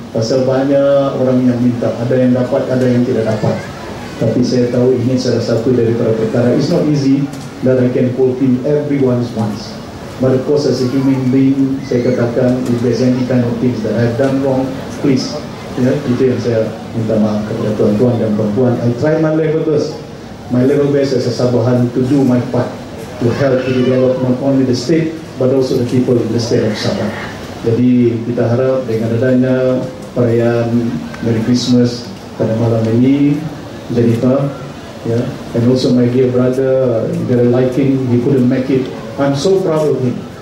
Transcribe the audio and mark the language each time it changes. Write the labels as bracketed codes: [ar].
[ms] Pasal banyak orang yang minta, ada yang dapat, ada yang tidak dapat. Tapi saya tahu ini salah satu dari perkara. [en] It's not easy that I can fulfill everyone's wants. But of course, as a human being, [ms] saya katakan, [en] if there's any kind of things that I've done wrong, please. [ms] Ya, itu yang saya minta maaf kepada tuan-tuan dan perempuan. [en] I try my level best. My level best as a Sabahan to do my part, to help to develop not only the state, but also the people in the state of Sabah. [ms] Jadi kita harap dengan adanya perayaan Merry Christmas pada malam ini, [en] Jennifer, yeah, and also my dear brother, very liking, he couldn't make it. I'm so proud of him.